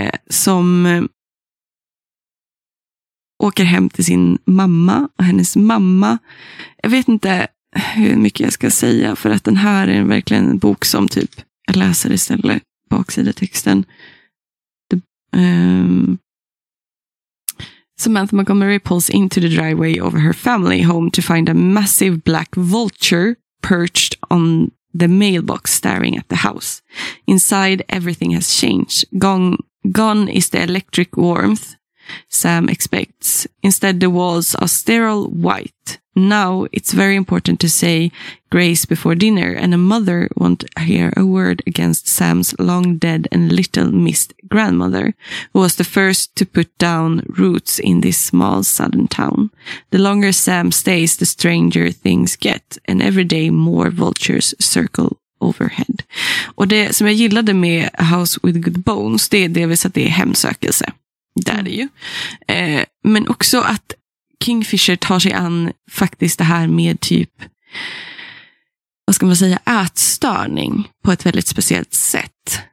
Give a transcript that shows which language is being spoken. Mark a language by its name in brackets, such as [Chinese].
[Swedish] Som åker hem till sin mamma och hennes mamma. Jag vet inte hur mycket jag ska säga för att den här är verkligen en bok som typ, jag läser istället baksidetexten. [English] Samantha Montgomery pulls into the driveway of her family home to find a massive black vulture perched on the mailbox staring at the house. Inside everything has changed. Gone is the electric warmth Sam expects. Instead, the walls are sterile white. Now, it's very important to say grace before dinner, and a mother won't hear a word against Sam's long-dead and little-missed grandmother, who was the first to put down roots in this small southern town. The longer Sam stays, the stranger things get, and every day more vultures circle overhead. [Swedish] Och det som jag gillade med A House with Good Bones, det är delvis att det är hemsökelse. Där är ju. Men också att Kingfisher tar sig an faktiskt det här med typ, vad ska man säga, ätstörning på ett väldigt speciellt sätt.